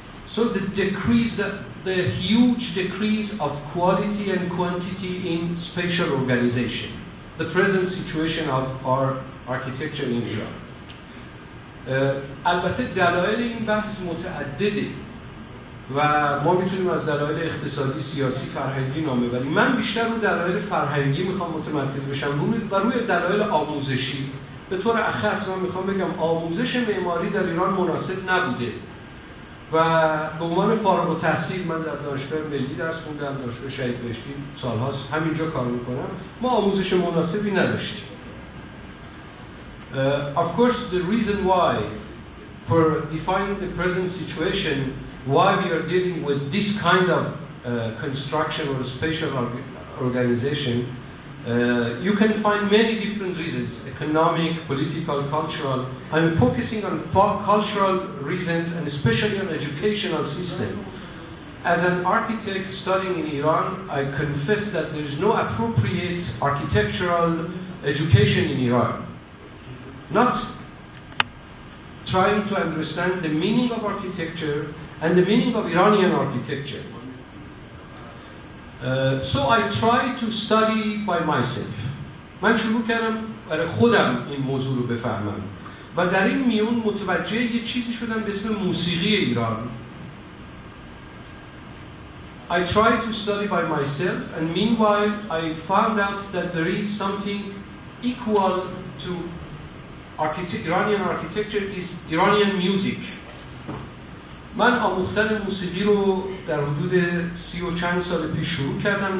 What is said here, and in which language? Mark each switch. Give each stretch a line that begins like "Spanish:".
English: So the decrease, the huge decrease of quality and quantity in spatial organization, the present situation of our architecture in Iran.
Persian: البته دلایل این بحث متعدده و ما میتونیم از دلایل اقتصادی، سیاسی، فرهنگی نامه بریم. من بیشتر رو دلایل فرهنگی میخوام متمرکز بشم و روی دلایل آموزشی. به طور اخص من میخوام بگم آموزش معماری در ایران مناسب نبوده و به عنوان فارغ التحصیل من در دانشگاه ملی درس خوندم، دانشگاه شهید بهشتی، سالهاست همینجا کار میکنم، ما آموزش مناسبی نداشتیم.
English: Of course the reason why for defining the present situation why we are dealing with this kind of construction or spatial organization you can find many different reasons, economic, political, cultural. I'm focusing on cultural reasons and especially on educational system. As an architect studying in Iran, I confess that there is no appropriate architectural education in Iran. Not trying to understand the meaning of architecture and the meaning of Iranian architecture. So I try to study by myself.
Persian: من شروع کردم برای خودم این موضوع رو بفهمم و در این میون متوجه یه چیزی شدم به اسم موسیقی ایران.
English: I try to study by myself and meanwhile I found out that there is something equal to Iranian architecture is Iranian music.
Persian: من آموختن موسیقی رو در حدود 30 سال پیش شروع کردم.